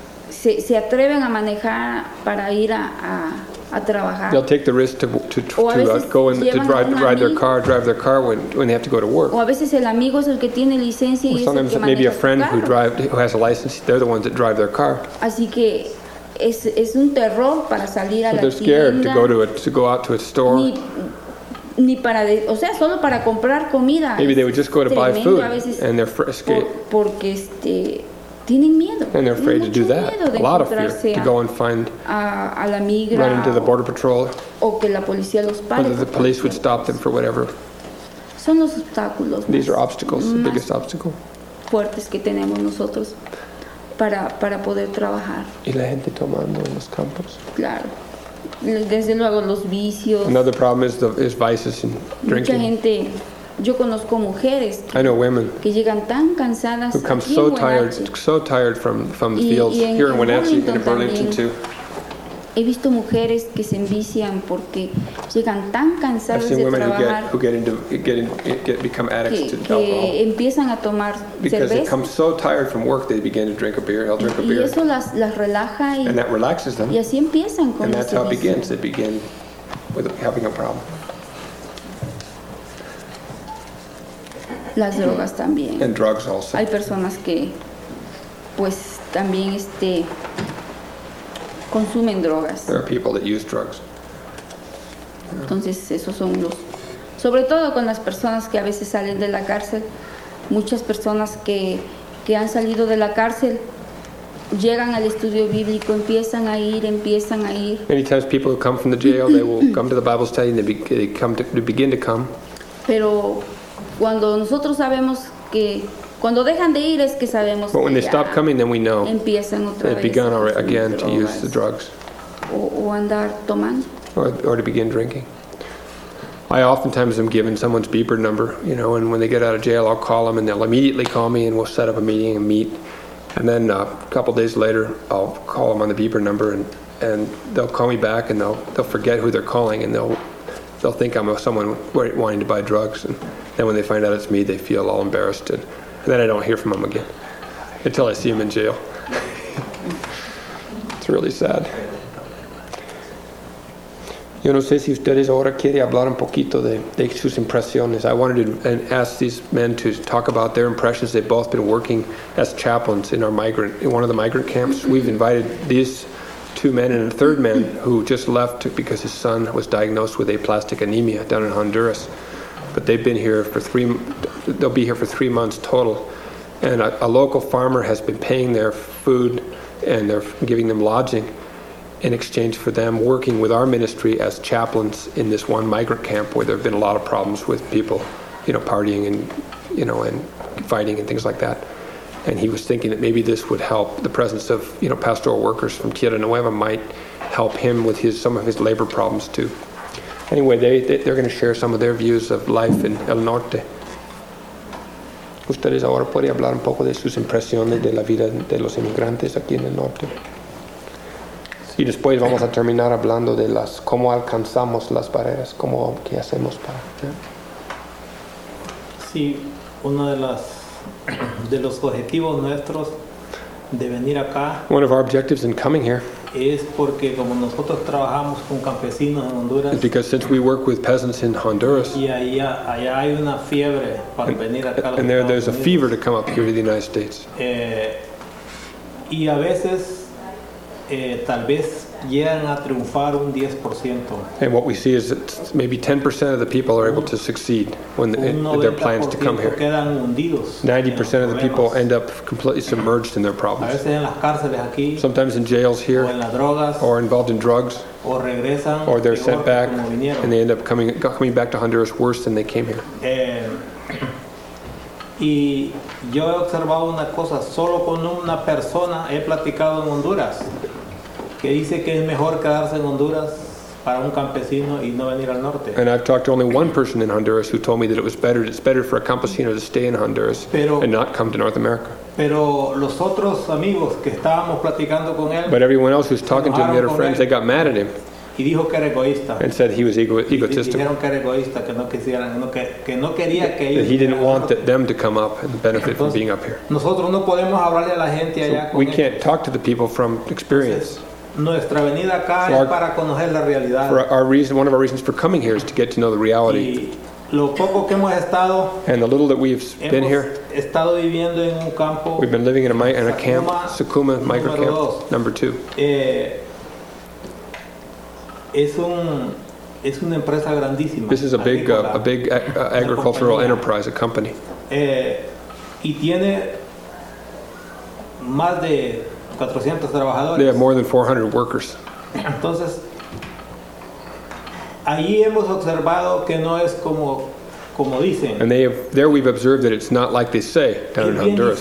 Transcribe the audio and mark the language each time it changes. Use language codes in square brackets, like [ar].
[es] Se atreven a manejar para ir a trabajar. [en] They'll take the risk to drive their car when they have to go to work. [es] O a veces el amigo es el que tiene licencia y es el que maneja su carro. [en] Sometimes maybe a friend who has a license, they're the ones that drive their car. [es] Así que es un terror para salir a [en] so [es] la tienda. [en] So they're scared to go out to a store. [es] Ni para solo para comprar comida. [en] Maybe they would just go to buy food and they're frisky. [es] Porque tienen miedo. [en] And they're afraid to do that. A lot of fear to go and find [es] a la migra, [en] run into the border patrol. [es] O que la policía los pare. [en] Or that the police would stop them for whatever. [es] Son los obstáculos. These are obstacles, the biggest obstacle. Fuertes que tenemos nosotros. Para poder trabajar. Y la gente tomando en los campos. Claro. Desde luego los vicios. [en] Another problem is vices and drinking. [es] Mucha gente, yo conozco mujeres. [en] I know women. [es] Que llegan tan cansadas. [en] Who come so tired, from the fields here in Wenatchee and in Burlington too. [es] He visto mujeres que se envician porque llegan tan cansadas de trabajar [en] who become addicts to alcohol. [es] Que empiezan a tomar cerveza. [en] Because they come so tired from work, they begin to drink a beer. They'll drink a beer. [es] Y eso las relaja y. [en] And that relaxes them. [es] Y así empiezan con [en] And that's how it begins. They begin with having a problem. [es] Las drogas también. [en] And drugs also. [es] Hay personas que, pues, también consumen drogas. [en] There are people that use drugs. [es] Entonces, esos son los. Sobre todo con las personas que a veces salen de la cárcel. Muchas personas que han salido de la cárcel llegan al estudio bíblico, empiezan a ir. [en] Many times people who come from the jail, they will come to the Bible study and they begin to come. [es] Pero cuando nosotros sabemos que cuando dejan de ir es que sabemos [en] but when [es] que [en] they stop coming, then we know they've begun again to use the drugs. [es] O andar tomando. [en] Or to begin drinking. I oftentimes am given someone's beeper number, and when they get out of jail, I'll call them, and they'll immediately call me, and we'll set up a meeting and meet. And then a couple days later, I'll call them on the beeper number, and they'll call me back, and they'll forget who they're calling, and they'll think I'm someone wanting to buy drugs. And then when they find out it's me, they feel all embarrassed, and then I don't hear from him again until I see him in jail. It's really sad. [es] Yo no sé si ustedes ahora quieren hablar un poquito de sus impresiones. [en] I wanted to ask these men to talk about their impressions. They've both been working as chaplains in one of the migrant camps. We've invited these two men and a third man who just left because his son was diagnosed with aplastic anemia down in Honduras. But they've been here they'll be here for 3 months total. And a local farmer has been paying their food and they're giving them lodging in exchange for them working with our ministry as chaplains in this one migrant camp where there have been a lot of problems with people, partying and fighting and things like that. And he was thinking that maybe this would help, the presence of, pastoral workers from Tierra Nueva might help him with some of his labor problems too. Anyway, they're going to share some of their views of life in El Norte. [es] Ustedes ahora pueden hablar un poco de sus impresiones de la vida de los inmigrantes aquí en El Norte. Y después vamos a terminar hablando de las cómo alcanzamos las barreras, cómo qué hacemos para. Sí, uno de los objetivos nuestros de venir acá. [en] One of our objectives in coming here. [es] Es porque como nosotros trabajamos con campesinos en Honduras. [en] It's because since we work with peasants in Honduras. [es] Y allá hay una fiebre para venir acá. [en] And there's a fever to come up here to the United States. [es] Y a veces tal vez llegan a triunfar un 10%. [en] And what we see is that maybe 10% of the people are able to succeed when their plans to come here. 90% of the people end up completely submerged in their problems. [es] A veces en las cárceles aquí, [en] sometimes in jails here, [es] o en las drogas, [en] or involved in drugs, [es] o regresan, [en] or they're sent back, and they end up coming back to Honduras worse than they came here. [es] Y yo he observado una cosa, solo con una persona he platicado en Honduras, que dice que es mejor quedarse en Honduras para un campesino y no venir al norte. [en] And I've talked to only one person in Honduras who told me that it's better for a campesino to stay in Honduras and not come to North America. [es] Pero los otros amigos que estábamos platicando con él, [en] but everyone else who's talking to him, the other friends, they got mad at him. [es] Y dijo que era egoísta. [en] And said he was egotistical. [es] Dijeron que era egoísta, que no quisieran, que no quería que ellos. [en] He didn't want them to come up and benefit from being up here. [es] Nosotros no podemos hablarle a la gente allá. [en] We can't talk to the people from experience. [es] Nuestra venida acá es para conocer la realidad. [en] One of our reasons for coming here is to get to know the reality. [es] Lo poco que hemos estado, [en] and the little that we've been here, [es] estado viviendo en un campo, [en] we've been living in a camp, Sukuma micro camp, number two. [es] Es una empresa grandísima. [en] This is a big, agricultural enterprise, a company. [es] Y tiene más de 400 trabajadores. [en] They have more than 400 workers. [es] Entonces, ahí hemos observado que no es como dicen. [en] And we've observed that it's not like they say down in Honduras.